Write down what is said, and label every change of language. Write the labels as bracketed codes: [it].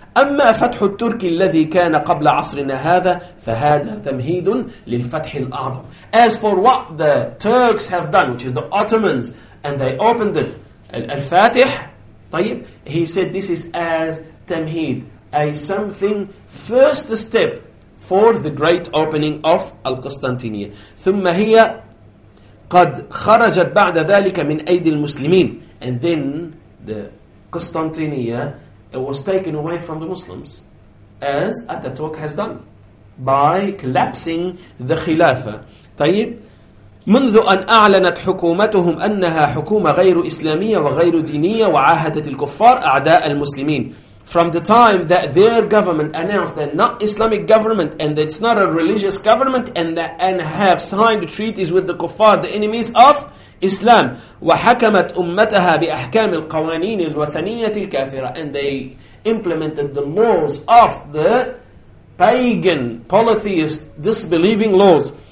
[ar] أَمَّا فَتْحُ التُّرْكِ الَّذِي كَانَ قَبْلَ عَصْرِنَا هَذَا فَهَذَا تَمْهِيدٌ لِلْفَتْحِ الْأَعْظَمِ [en] As for what the Turks have done, which is the Ottomans, and they opened the Fatih, طيب, he said this is as tamheed, a something, first step for the great opening of Al-Qustantiniyah. [ar] ثُمَّ هِيَ قَدْ خَرَجَتْ بَعْدَ ذَلِكَ مِنْ أَيْدِ الْمُسْلِمِينَ [en] And then the Qustantiniyah, it was taken away from the Muslims, as Ataturk has done, by collapsing the Khilafah. [ar] طيب, منذ أن أعلنت حكومتهم أنها حكومة غير إسلامية وغير دينية وعاهدت الكفار أعداء المسلمين. [en] From the time that their government announced they're not Islamic government and that it's not a religious government and have signed treaties with the kuffar, the enemies of Islam. [ar] وحكمت أمتها بأحكام القوانين الوثنية الكافرة [en] and they implemented the laws of the pagan, polytheist, disbelieving laws.